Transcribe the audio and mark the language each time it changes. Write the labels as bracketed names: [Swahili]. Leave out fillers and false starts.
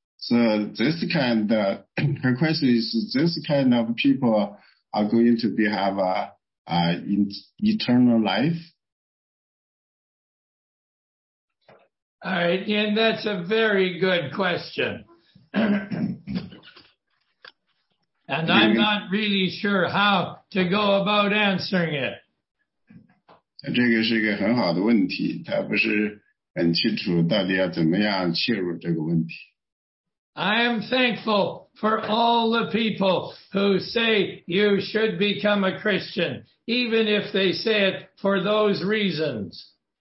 [English] So this kind of, her question is, this kind of people are going to be have a eternal life? All right, and that's a very good question. And I'm not really sure how to go about answering it. [Chinese] 这个是一个很好的问题, 它不是很清楚到底要怎么样切入这个问题。 [English] I am thankful for all the people who say you should become a Christian, even if they say it for those reasons.